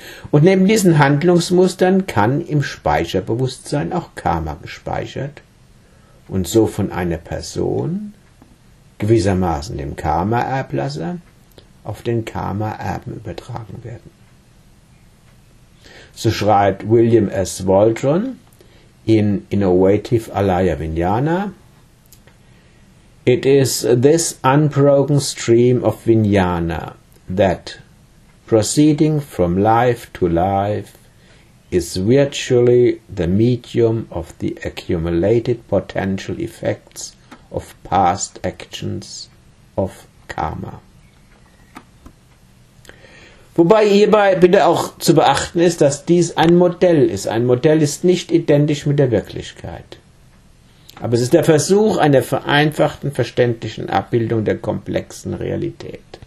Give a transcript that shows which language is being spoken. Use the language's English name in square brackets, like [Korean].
[German] Und neben diesen Handlungsmustern kann im Speicherbewusstsein auch Karma gespeichert und so von einer Person, gewissermaßen dem Karma-Erblasser, auf den Karma-Erben übertragen werden. So schreibt William S. [English] Waldron in Innovative Alaya Vijnana: It is this unbroken stream of Vijnana that, proceeding from life to life, is virtually the medium of the accumulated potential effects of past actions of karma. [German] Wobei hierbei bitte auch zu beachten ist, dass dies ein Modell ist. Ein Modell ist nicht identisch mit der Wirklichkeit. Aber es ist der Versuch einer vereinfachten, verständlichen Abbildung der komplexen Realität.